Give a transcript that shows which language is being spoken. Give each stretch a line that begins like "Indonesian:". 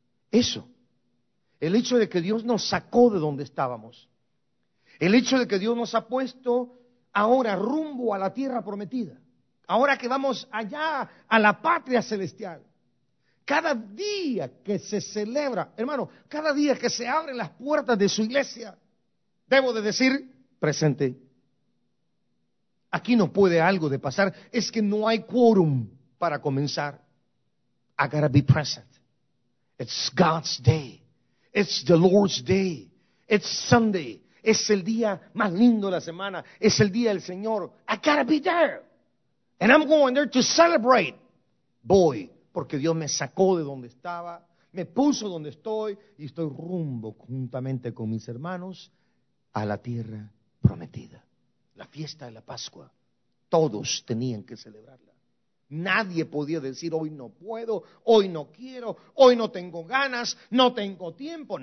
Spanish: Eso, el hecho de que Dios nos sacó de donde estábamos, el hecho de que Dios nos ha puesto ahora rumbo a la tierra prometida, ahora que vamos allá a la patria celestial, cada día que se celebra, hermano, cada día que se abren las puertas de su iglesia, debo de decir, presente, aquí no puede algo de pasar, es que no hay quórum para comenzar,
English: I gotta be present. It's God's day. It's the Lord's day. It's Sunday.
Spanish: Es el día más lindo de la semana. Es el día del Señor.
English: I gotta be there. And I'm going there to celebrate.
Spanish: Voy, porque Dios me sacó de donde estaba, me puso donde estoy, y estoy rumbo juntamente con mis hermanos a la tierra prometida. La fiesta de la Pascua. Todos tenían que celebrarla. Nadie podía decir, hoy no puedo, hoy no quiero, hoy no tengo ganas, no tengo tiempo.